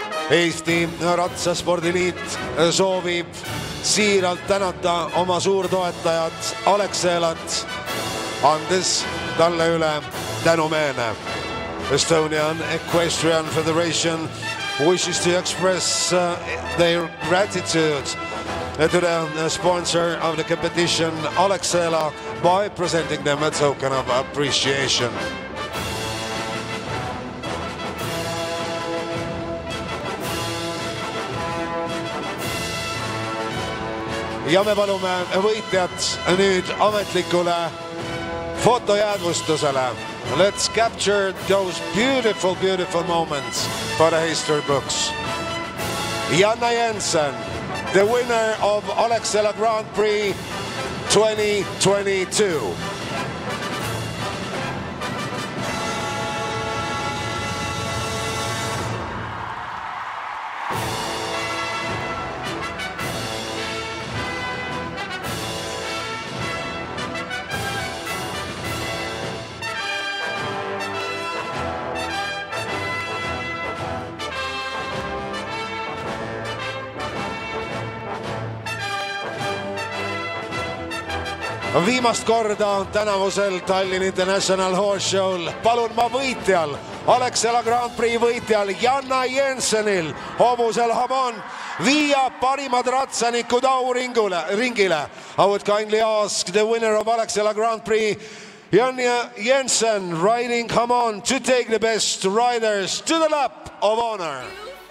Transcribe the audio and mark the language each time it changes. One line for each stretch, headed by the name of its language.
Estonian: Eesti Ratsaspordiliit soovib siiralt tänata oma suurtoetajat Alexelat, andes talle üle tänumeene.
English: Estonian Equestrian Federation wishes to express their gratitude to the sponsor of the competition Alexela by presenting them a token of appreciation.
Estonian: Ja me palume võitjat nüüd ametlikule fotojäädvustusele.
English: Let's capture those beautiful, beautiful moments for the history books. Janna Jensen, the winner of Oleksela Grand Prix 2022.
Estonian: Viimast korda tänavusel Tallinn International Horse Show'l palun ma võitjal, Oleksela Grand Prix võitjal Janna Jensenil hobusel Habon viia parimad ratsanikud auringile.
English: I would kindly ask the winner of Oleksela Grand Prix, Janna Jensen, riding Habon, to take the best riders to the lap of honor.